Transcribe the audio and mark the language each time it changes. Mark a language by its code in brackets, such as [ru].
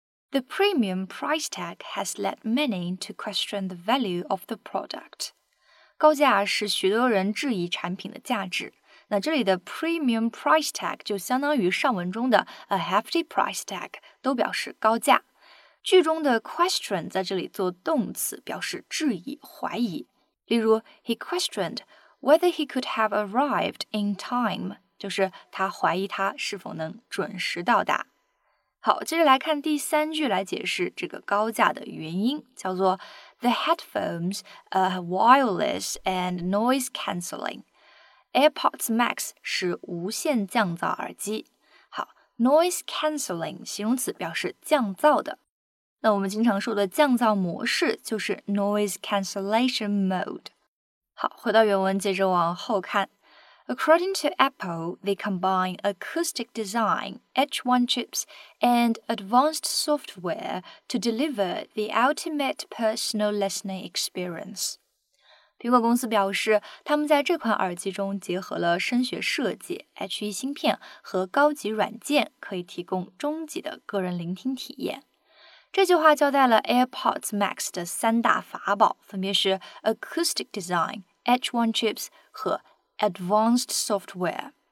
[en] The premium price tag has led many to question the value of the product. [zh] 高价使许多人质疑产品的价值。那这里的 premium price tag 就相当于上文中的 a hefty price tag, 都表示高价。句中的 question 在这里做动词，表示质疑、怀疑。例如 , he questioned whether he could have arrived in time, 就是他怀疑他是否能准时到达。好，接着来看第三句来解释这个高价的原因，叫做 The headphones are wireless and noise cancelling. AirPods Max 是无线降噪耳机。好， noise cancelling 形容词表示降噪的。那我们经常说的降噪模式就是 noise cancellation mode。好，回到原文，接着往后看。 [en] According to Apple, they combine acoustic design, H1 chips, and advanced software to deliver the ultimate personal listening experience. [zh] 苹果公司表示，他们在这款耳机中结合了声学设计、H1 芯片和高级软件，可以提供终极的个人聆听体验。这句话交代了 AirPods Max 的三大法宝，分别是 acoustic design, H1 chips 和 Advanced software.